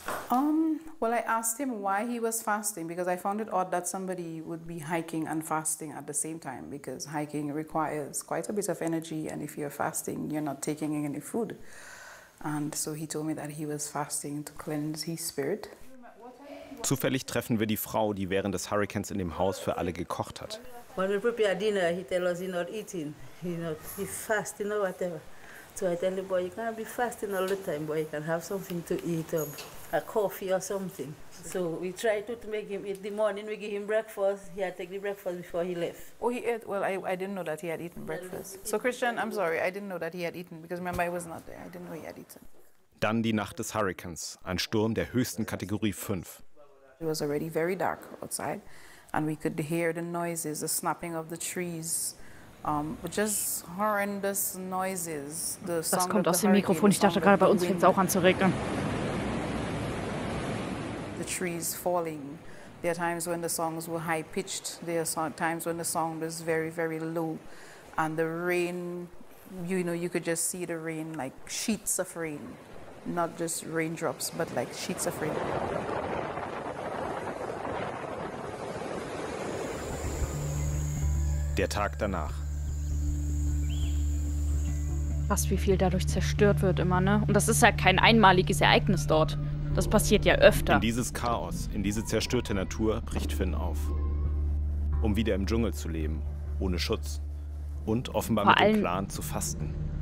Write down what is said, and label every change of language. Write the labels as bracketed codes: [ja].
[en] Well, I asked him why he was fasting, because I found it odd that somebody would be hiking and fasting at the same time, because hiking requires quite a bit of energy, and if you're fasting, you're not taking any food. And so he told me that he was fasting to cleanse his spirit. [de] Zufällig treffen wir die Frau, die während des Hurrikans in dem Haus für alle gekocht hat. [en] When we prepare dinner, he tells us he's not eating, he fast, you know, whatever. So I tell the boy, you can't be fasting all the time, boy, you can have something to eat, a coffee or something. So we try to make him eat the morning, we give him breakfast, he had taken the breakfast before he left. Oh, he ate, well, I didn't know that he had eaten breakfast. So Christian, I'm sorry, I didn't know that he had eaten, because remember, I was not there, I didn't know he had eaten. [de] Dann die Nacht des Hurrikans, ein Sturm der höchsten Kategorie 5. [en] It was already very dark outside, and we could hear the noises, the snapping of the trees, just horrendous noises. The [de] sound das kommt aus dem Mikrofon. Ich dachte gerade, bei uns fängt es auch an zu regnen. [en] The trees falling. There are times when the songs were high pitched. There are times when the song was very, very low, and the rain. You know, you could just see the rain, like sheets of rain, not just raindrops, but like sheets of rain. [de] Der Tag danach. Was, wie viel dadurch zerstört wird immer, ne? Und das ist ja kein einmaliges Ereignis dort. Das passiert ja öfter. In dieses Chaos, in diese zerstörte Natur bricht Finn auf. Um wieder im Dschungel zu leben, ohne Schutz. Und offenbar mit dem Plan zu fasten.